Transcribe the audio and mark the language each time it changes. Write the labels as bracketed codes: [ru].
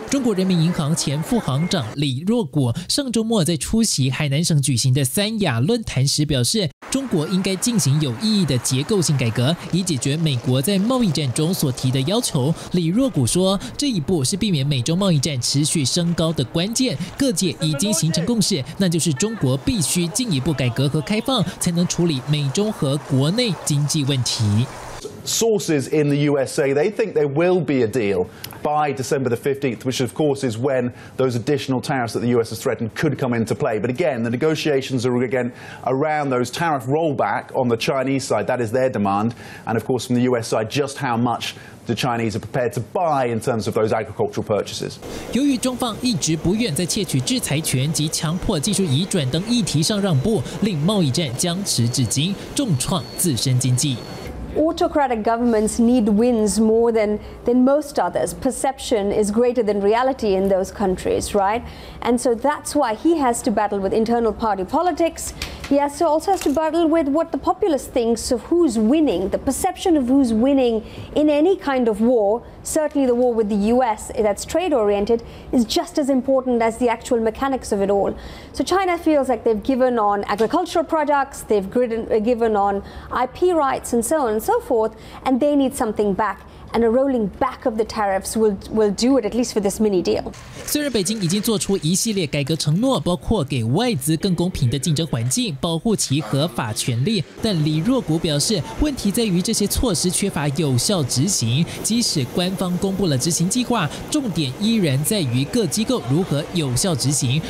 [zh] 中国人民银行前副行长李若谷上周末在出席海南省举行的三亚论坛时表示，中国应该进行有意义的结构性改革，以解决美国在贸易战中所提的要求。李若谷说，这一步是避免美中贸易战持续升高的关键。各界已经形成共识，那就是中国必须进一步改革和开放，才能处理美中和国内经济问题。 [en] Sources in the US say they think there will be a deal by December the 15th, which of course is when those additional tariffs that the US has threatened could come into play. But again, the negotiations are again around those tariff rollback on the Chinese side. That is their demand. And of course, from the US side, just how much. The Chinese are prepared to buy in terms of those agricultural purchases. [zh] 由于中方一直不愿在窃取制裁权及强迫技术移转等议题上让步，令贸易战僵持至今，重创自身经济。 [en] Autocratic governments need wins more than most others. Perception is greater than reality in those countries, right? And so that's why he has to battle with internal party politics, Yes, so also has to battle with what the populace thinks of who's winning, the perception of who's winning in any kind of war, certainly the war with the US that's trade-oriented, is just as important as the actual mechanics of it all. So China feels like they've given on agricultural products, they've given on IP rights and so on and so forth, and they need something back. And a rolling back of the tariffs will do it, at least for this mini deal. [zh] 虽然北京已经做出一系列改革承诺，包括给外资更公平的竞争环境，保护其合法权利，但李若谷表示，问题在于这些措施缺乏有效执行。即使官方公布了执行计划，重点依然在于各机构如何有效执行。